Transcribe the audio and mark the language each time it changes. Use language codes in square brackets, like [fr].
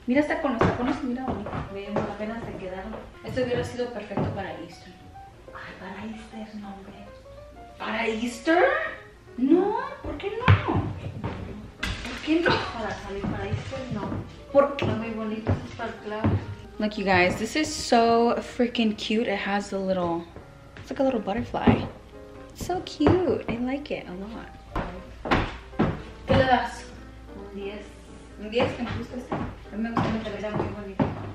[es] Mira, hasta con los tacones, mira bonito. Bien, apenas se quedaron. Este hubiera sido perfecto para Easter. Ay, para Easter, no, hombre. ¿Para Easter? No, ¿por qué no? No. ¿Por qué no? Para salir para Easter, no. ¿Por qué? Está muy bonito, eso es para el club. [en] Look, you guys, this is so freaking cute. It has a little, it's like a little butterfly. It's so cute, I like it a lot. [es] ¿Qué le das? 10, que me gusta este. A mí me gusta mucho, era muy bonito.